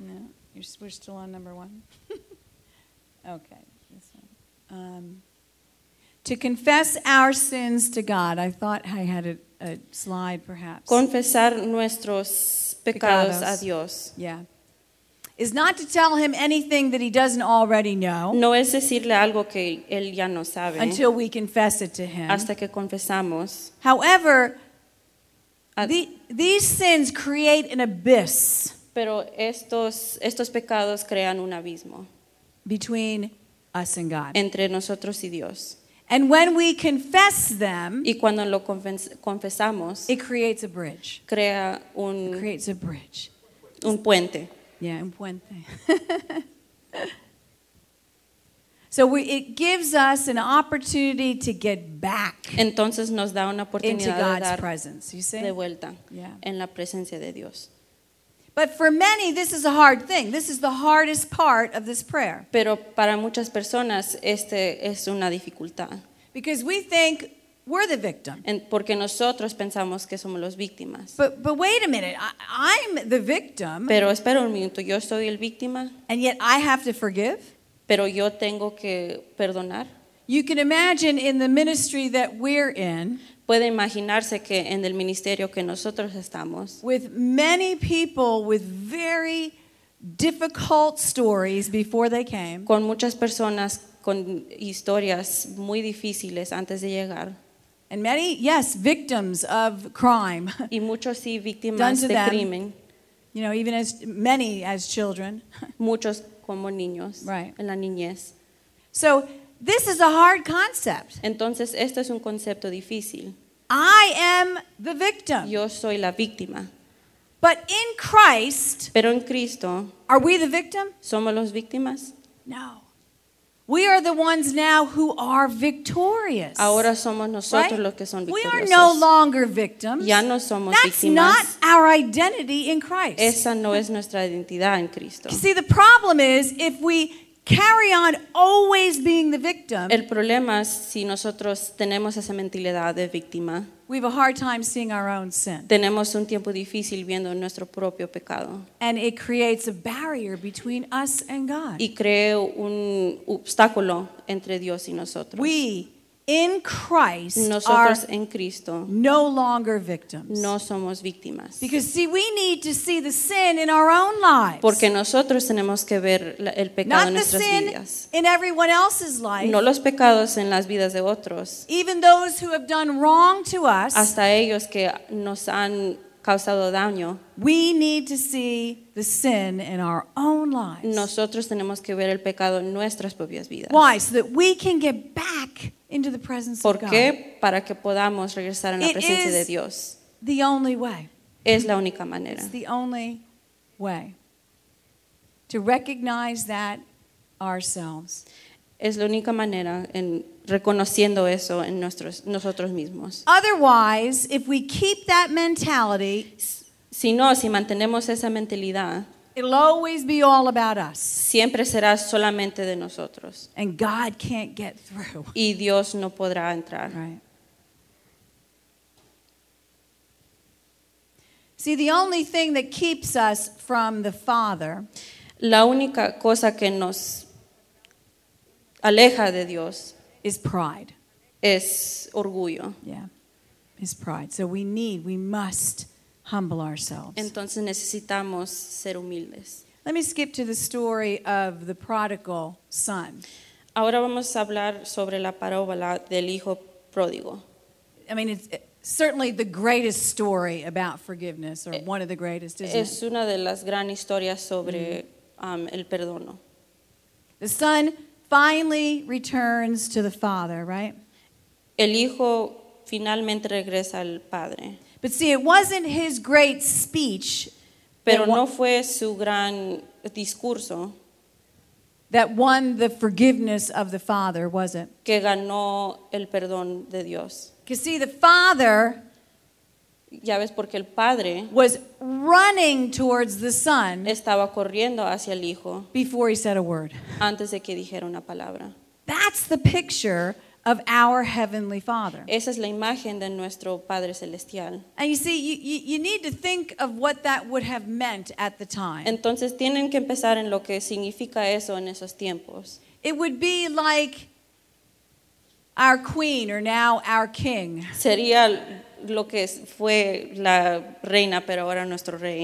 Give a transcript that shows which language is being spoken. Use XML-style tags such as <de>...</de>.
<en>No, we're still on number one. Okay. This one. To confess our sins to God. I thought I had a slide, perhaps.</en> <es>Confesar nuestros pecados a Dios.</es> <en>Yeah. Is not to tell him anything that he doesn't already know.</en> <es>No es decirle algo que él ya no sabe.</es> <en>Until we confess it to him.</en> <es>Hasta que confesamos.</es> <en>However, these sins create an abyss.</en> <es>Pero estos pecados crean un abismo.</es> <en>Between us and God.</en> <es>Entre nosotros y Dios.</es> <en>And when we confess them,</en> <es>y cuando lo confesamos,</es> <en>it creates a bridge.</en> <es>Crea un,</es> <en>it creates a bridge.</en> <es>Un puente. Yeah, un puente.</es> <en>So it gives us an opportunity to get back.</en> <es>Entonces nos da una oportunidad</es> <en>into God's</en> <es>de dar</es> <en>presence, you see?</en> <es>De vuelta, yeah. En la presencia de Dios.</es> <en>But for many, this is a hard thing. This is the hardest part of this prayer.</en> <es>Pero para muchas personas, este es una dificultad.</es> <en>Because we think we're the victim.</en> <es>Porque nosotros pensamos que somos los víctimas.</es> <en>But wait a minute. I'm the victim.</en> <es>Pero espera un minuto. Yo soy el víctima.</es> <en>And yet I have to forgive.</en> <es>Pero yo tengo que perdonar.</es> <en>You can imagine in the ministry that we're in.</en> <es>Puede imaginarse que en el ministerio que nosotros estamos.</es> <en>With many people with very difficult stories before they came.</en> <es>Con muchas personas con historias muy difíciles antes de llegar.</es> <en>And many, yes, victims of crime.</en> <es>Y muchos sí víctimas de crimen.</es> <en>You know, even as many as children.</en> <es>Muchos como niños.</es> <en>Right.</en> <es>En la niñez.</es> <en>So this is a hard concept.</en> <es>Entonces, este es un concepto difícil.</es> <en>I am the victim.</en> <es>Yo soy la víctima.</es> <en>But in Christ,</en> <es>pero en Cristo,</es> <en>are we the victim?</en> <es>¿Somos los víctimas?</es> <en>No. We are the ones now who are victorious.</en> <es>Ahora somos nosotros, right? Los que son victoriosos.</es> <en>We are no longer victims.</en> <es>Ya no somos</es> <en>That's</en> <es>víctimas.</es> <en>Not our identity in Christ.</en> <es>Esa no es nuestra identidad en Cristo.</es> <en>See, the problem is if we carry on always being the victim.</en> <es>El problema es si nosotros tenemos esa mentalidad de víctima.</es> <en>We have a hard time seeing our own sin.</en> <es>Tenemos un tiempo difícil viendo nuestro propio pecado.</es> <en>And it creates a barrier between us and God.</en> <es>Y crea un obstáculo entre Dios y nosotros.</es> <en>We in Christ</en> <es>nosotros en Cristo</es> <en>no longer victims.</en> <es>No somos víctimas.</es> <en>Because see, we need to see the sin in our own lives.</en> <es>Porque nosotros tenemos que ver el pecado en nuestras vidas.</es> <en>Not the sin in everyone else's life.</en> <es>No los pecados en las vidas de otros.</es> <en>Even those who have done wrong to us.</en> <es>Hasta ellos que nos han causado daño.</es> <en>We need to see the sin in our own lives.</en> <es>Nosotros tenemos que ver el pecado en nuestras propias vidas.</es> <en>Why? So that we can get back into the presence of God.</en> <es>¿Por qué? Para que podamos regresar en la presencia de Dios.</es> <en>It is the only way.</en> <es>Es la única manera.</es> <en>It's the only way to recognize that ourselves.</en> <es>Es la única manera en reconociendo eso en nosotros mismos.</es> <en>Otherwise, if we keep that mentality,</en> <es>si no, si mantenemos esa mentalidad,</es> <en>it'll always be all about us.</en> <es>Siempre será solamente de nosotros.</es> <en>And God can't get through.</en> <es>Y Dios no podrá entrar.</es> <en>Right. See, the only thing that keeps us from the Father,</en> <es>la única cosa que nos aleja de Dios,</es> <en>is pride.</en> <es>Es orgullo.</es> <en>Yeah. Is pride. So we must humble ourselves.</en> <es>Entonces necesitamos ser humildes.</es> <en>Let me skip to the story of the prodigal son.</en> <es>Ahora vamos a hablar sobre la parábola del hijo pródigo.</es> <en>I mean, it's certainly the greatest story about forgiveness, or one of the greatest, isn't it?</en> <es>Es una de las gran historias sobre el perdono.</es> <en>The son finally returns to the father, right?</en> <es>El hijo finalmente regresa al padre.</es> <en>But see, it wasn't his great speech</en> <es>Pero no fue su gran discurso.</es> <en>That won the forgiveness of the Father, was it?</en> <es>Que ganó el perdón de Dios.</es> <en>Because see, the Father,</en> <es>ya ves, porque el padre</es> <en>was running towards the Son,</en> <es>estaba corriendo hacia el hijo,</es> <en>before he said a word.</en> <es>Antes de que dijera una palabra.</es> <en>That's the picture of our Heavenly Father.</en> <es>Esa es la imagen de nuestro Padre Celestial.</es> <en>And you see, you need to think of what that would have meant at the time.</en> <es>Entonces tienen que empezar en lo que significa eso en esos tiempos.</es> <en>It would be like our queen or now our king.</en> <es>Sería lo que fue la reina, pero ahora nuestro rey.</es>